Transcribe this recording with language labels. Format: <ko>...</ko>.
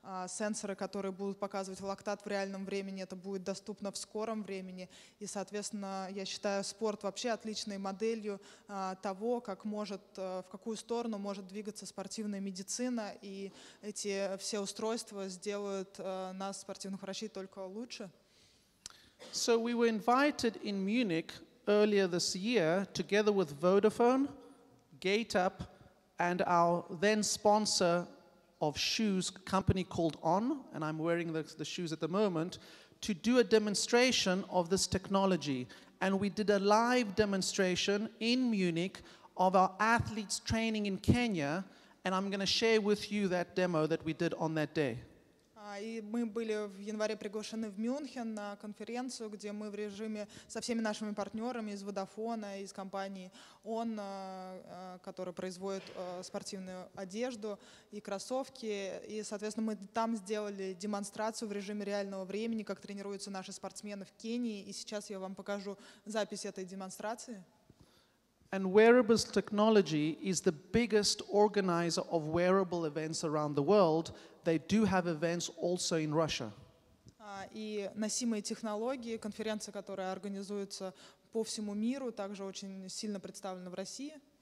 <ru>Сенсоры, которые будут показывать лактат в реальном времени, это будет доступно в скором времени. И, соответственно, я считаю спорт вообще отличной моделью того, как может, в какую сторону может двигаться спортивная медицина. И эти все устройства сделают нас, спортивных врачей, только лучше.</ru> <en>So we were invited in Munich earlier this year, together with Vodafone, GateUp, and our then sponsor of shoes company called On, and I'm wearing the shoes at the moment, to do a demonstration of this technology. And we did a live demonstration in Munich of our athletes training in Kenya, and I'm going to share with you that demo that we did on that day.</en> <ru>И мы были в январе приглашены в Мюнхен на конференцию, где мы в режиме со всеми нашими партнерами из Vodafone, из компании On, которая производит спортивную одежду и кроссовки. И, соответственно, мы там сделали демонстрацию в режиме реального времени, как тренируются наши спортсмены в Кении. И сейчас я вам покажу запись этой демонстрации.</ru> <en>And wearables technology is the biggest organizer of wearable events around the world. They do have events also in Russia.</en> <ru>И носимые технологии, конференция, которая организуется по всему миру, также очень сильно представлена в России.</ru>